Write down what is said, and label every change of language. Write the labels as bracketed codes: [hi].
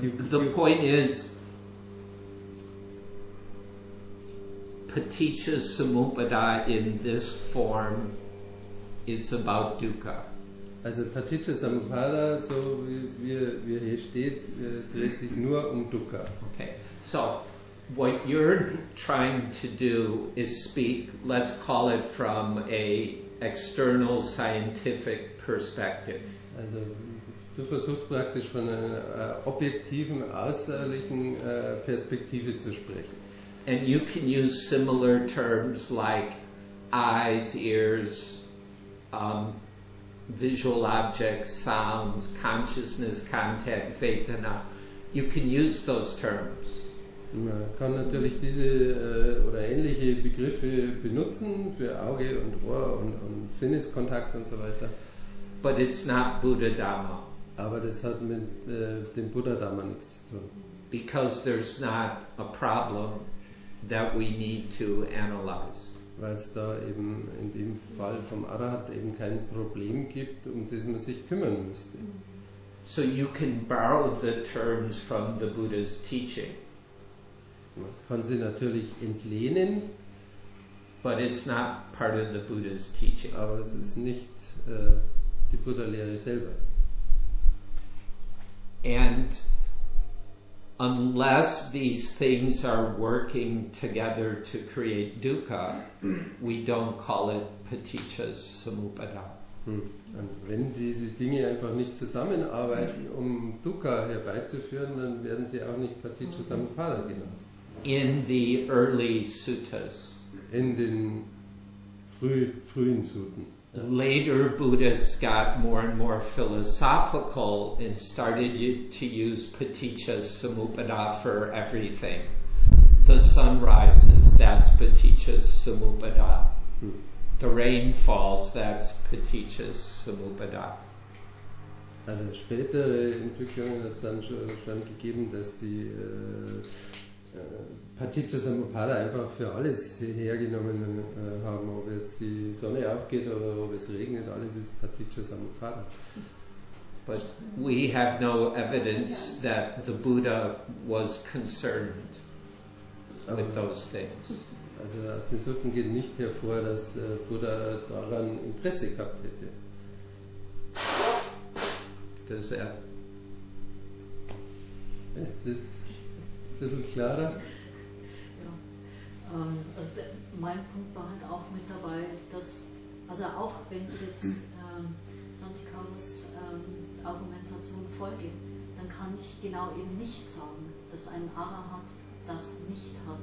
[en] the point is, Paticca Samuppada in this form is about dukkha. [de] Also Paticca Samuppada, so wie hier steht, dreht sich nur dukkha. [en] Okay. So what you're trying to do is speak, let's call it from a external scientific perspective. [de] Also du versuchst praktisch von einer objektiven, außerlichen Perspektive zu sprechen. [en] And you can use similar terms like eyes, ears, visual objects, sounds, consciousness, content, vedana. You can use those terms. [de] Man kann natürlich diese oder ähnliche Begriffe benutzen für Auge und Ohr und Sinneskontakt und so weiter. [en] But it's not Buddha Dhamma. [de] Aber das hat mit dem Buddha Dhamma nichts zu tun. [en] Because there's not a problem that we need to analyze. [de] Weil es da eben in dem Fall vom Arahat eben kein Problem gibt, um das man sich kümmern müsste. [en] So you can borrow the terms from the Buddha's teaching. [de] Man kann sie natürlich entlehnen. [en] But it's not part of the Buddha's teaching. [de] Aber es ist nicht die Buddha-Lehre selber. [en] And unless these things are working together to create dukkha, we don't call it paticca samuppada. [de] Und wenn diese Dinge einfach nicht zusammenarbeiten, um dukkha herbeizuführen, dann werden sie auch nicht paticca samuppada genannt. [en] In the early suttas. [de] In den frühen Sutten. [en] Later Buddhists got more and more philosophical and started to use paticca samuppada for everything. The sun rises, that's paticca samuppada. The rain falls, that's paticca samuppada. [de] Also spätere Entwicklungen hat es dann schon gegeben, dass die Paticca Samuppada einfach für alles hergenommen haben, ob jetzt die Sonne aufgeht oder ob es regnet, alles ist Paticca Samuppada. [en] But we have no evidence that the Buddha was concerned with those things. [de] Also aus den Sutten geht nicht hervor, dass Buddha daran Interesse gehabt hätte. Das wäre... Ist das ein bisschen klarer? Also mein Punkt war halt auch mit dabei, dass, also auch wenn ich jetzt Santi Kaurus Argumentation folge, dann kann ich genau eben nicht sagen, dass ein Arahant das nicht hat.